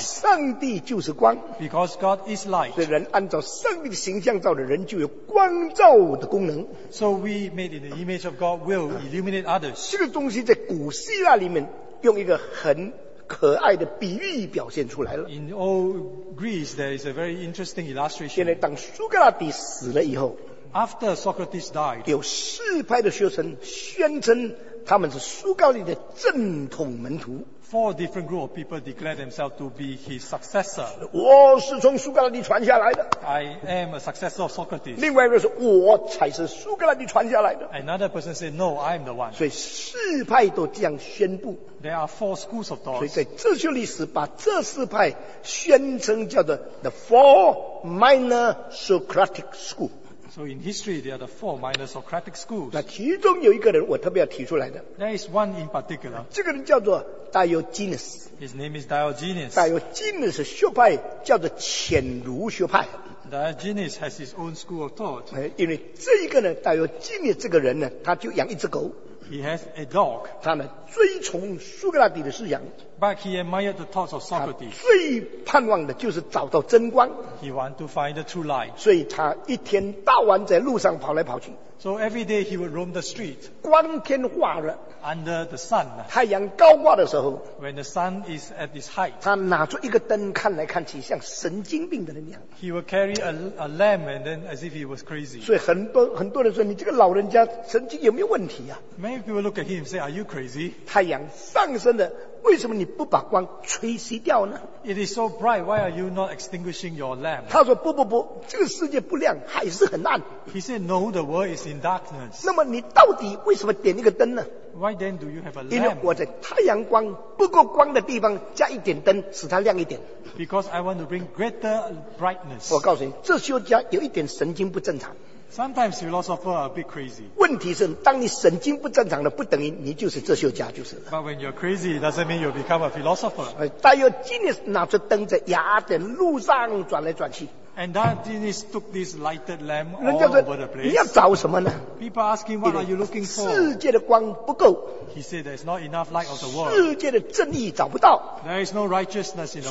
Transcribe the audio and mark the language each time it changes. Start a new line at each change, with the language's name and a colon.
Chinese: 上帝就是光。
English: Because God is light.
Chinese: 所以人按照上帝的形象造的人就有光照的功能。
English: So we made in the image of God will illuminate others.
Chinese: 这个东西在古希腊里面用一个很可爱的比喻表现出来了。
English: In old Greece, there is a very interesting illustration.
Chinese: 现在当苏格拉底死了以后。
English: After Socrates died,
Chinese: 有四派的学生宣称他们是苏格拉底的正统门徒。
English: Four different group of people declared themselves to be his successor.
Chinese: 我是从苏格拉底传下来的。
English: I am a successor of Socrates.
Chinese: 另外一个是我才是苏格拉底传下来的。
English: Another person said, No, I am the one.
Chinese: 所以四派都这样宣布。
English: There are four schools of thought.
Chinese: 所以在这些历史把这四派宣称叫做
English: the four minor Socratic schools. So in history, there are the four minor Socratic schools.
Chinese: 那其中有一个人我特别要提出来的。
English: There is one in particular.
Chinese: 这个人叫做 Diogenes.
English: His name is Diogenes.
Chinese: Diogenes 学派叫做浅儒学派。
English: Diogenes has his own school of thought.
Chinese: 因为这一个呢 ,Diogenes 这个人呢他就养一只狗。
English: He has a dog.
Chinese: 他呢追从苏格拉底的思想。
English: But he admired the thoughts of Socrates.
Chinese: 最盼望的就是找到真光。
English: He wanted to find the true light.
Chinese: 所以他一天到晚在路上跑来跑去。
English: So every day he would roam the street.
Chinese: 光天化日。
English: Under the sun.
Chinese: 太阳高挂的时候。
English: When the sun is at its height.
Chinese: 他拿出一个灯看来看去，像神经病的人一样。
English: He would carry a lamp and then as if he was crazy.
Chinese: 所以很多人说，你这个老人家神经有没有问题啊？
English: Many people look at him and say, Are you crazy?
Chinese: 太阳上升的。为什么你不把光吹熄掉呢
English: ？It is so bright. Why are you not extinguishing your lamp?
Chinese: 他说不，这个世界不亮，还是很暗。
English: He said no, the world is in darkness.
Chinese: 那么你到底为什么点一个灯呢
English: ？Why then do you have a lamp?
Chinese: 因为我在太阳光不够光的地方加一点灯，使它亮一点。
English: Because I want to bring greater brightness.
Chinese: 我告诉你，这修家有一点神经不正常。
English: Sometimes philosophers are a bit crazy.
Chinese: 问题是，当你神经不正常的，不等于你就是哲学家就是了。
English: But when you're crazy, it doesn't mean you'll become a philosopher.
Chinese: Diogenes 拿出灯在雅典路上转来转去。
English: And Diogenes took this lighted lamp all over the place.
Chinese: 你要找什么呢
English: ？People ask him, "What are you looking for?"
Chinese: 世界的光不够。
English: He said, "There's not enough light of the world."
Chinese: 世界的正义找不到。
English: There is no righteousness in the world.